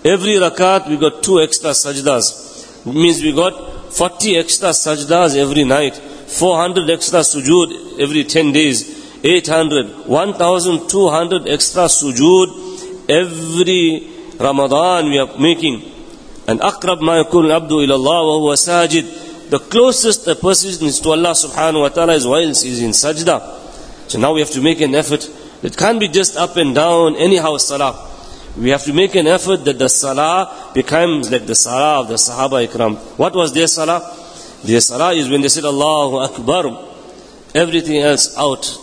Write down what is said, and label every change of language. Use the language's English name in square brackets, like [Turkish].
[English] Every rakat we got 2 extra sajdas. Means we got 40 extra sajdas every night, 400 extra sujood every 10 days, 800, 1200 extra sujood every Ramadan we are making. [Arabic] And أقرب ما يكون العبد إلى الله وهو ساجد. [English] The closest a person is to Allah subhanahu wa ta'ala is whilst he is in sajda. So now we have to make an effort. It can't be just up and down, anyhow salah. We have to make an effort that the salah becomes like the salah of the sahaba ikram. What was their salah? Their salah is when they said Allahu Akbar, everything else out.